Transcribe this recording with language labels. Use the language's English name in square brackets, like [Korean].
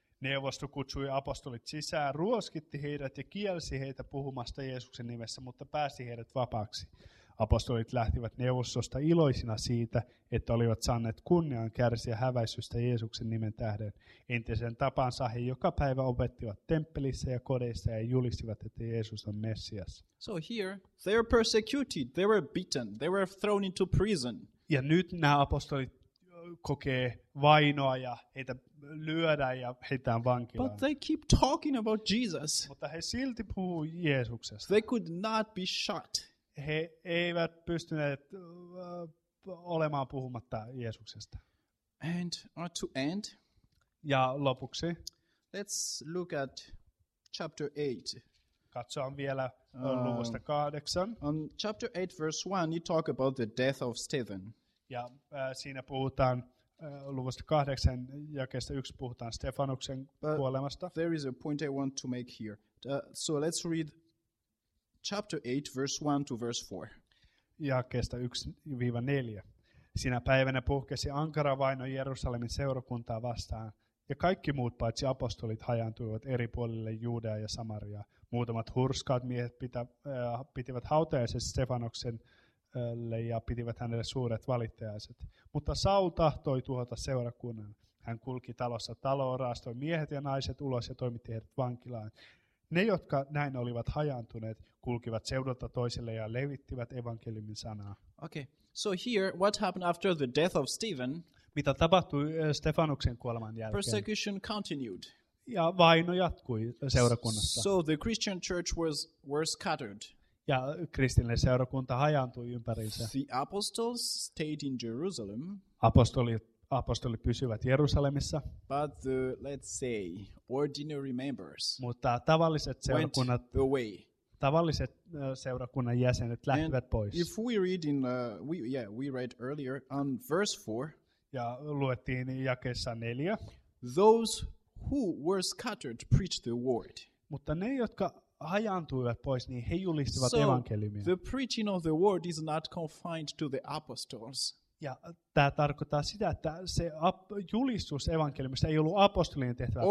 [Finnish] Neuvosto kutsui apostolit sisään, ruoskitti heidät ja kielsi heitä puhumasta Jeesuksen nimessä, mutta pääsi heidät vapaaksi. Apostolit lähtivät neuvostosta iloisina siitä, että olivat saaneet kunnian kärsiä häväisystä Jeesuksen nimen tähden. Entisen tapansa he joka päivä opettivat temppelissä ja kodeissa ja julistivat, että Jeesus on Messias. [English] So here, they were persecuted, they were beaten, they were thrown into prison. [Finnish] Ja nyt nämä apostolit kokee vainoa ja heitä lyödään ja heitään vankilaan. [English] But they keep talking about Jesus. [Finnish] Mutta he silti puhuu Jeesuksesta. [English] They could not be shot. [Finnish] He eivät pystyneet olemaan puhumatta Jeesuksesta. [English] And to end. [Finnish] Ja lopuksi. [English] Let's look at chapter 8. [Finnish] Katsoan vielä luvusta 8. [English] On chapter 8 verse 1 you talk about the death of Stephen. [Finnish] Ja siinä puhutaan luvusta 8 jakeesta 1 puhutaan Stefanuksen kuolemasta. [English] There is a point I want to make here. So let's read chapter 8 verse 1 to verse 4. [Finnish] Jakeesta 1-4. Sinä päivänä puhkesi ankara vaino Jerusalemin seurakuntaa vastaan ja kaikki muut paitsi apostolit hajaantuivat eri puolille Juudeaa ja Samariaa. Muutamat hurskaat miehet pitivät hautajaisesti Stefanuksen ja pitivät hänelle suuret valittajaiset. Mutta Saul tahtoi tuhota seurakunnan. Hän kulki talossa taloon, raastoi miehet ja naiset ulos ja toimitti heidät vankilaan. Ne, jotka näin olivat hajaantuneet, kulkivat seudulta toiselle ja levittivät evankeliumin sanaa. [English] Okay. So here, what happened after the death of Stephen? [Finnish] Mitä tapahtui Stefanuksen kuoleman jälkeen? [English] Persecution continued. [Finnish] Ja vaino jatkui seurakunnassa. [English] So the Christian church were scattered. [Finnish] Ja kristillinen seurakunta hajaantui ympäriinsä. [English] The apostles stayed in Jerusalem. [Finnish] Apostolit pysyivät Jerusalemissa. [English] But the, let's say, ordinary members. [Finnish] Mutta tavalliset seurakunnat [English] went away. [Finnish] Tavalliset seurakunnan jäsenet lähtivät [English] and [Finnish] pois. [English] If we read in we read earlier on verse 4. [Finnish] Ja luettiin jakeessa 4. [English] Those who were scattered preached the word. [Finnish] Mutta ne, jotka hajaantuivat pois, niin he julistivat [English] so, [Finnish] evankeliumia. [English] The preaching of the word is not confined to the apostles. [Finnish] Ja tämä tarkoittaa sitä, että se julistus evankeliumista ei ollut apostolien tehtävä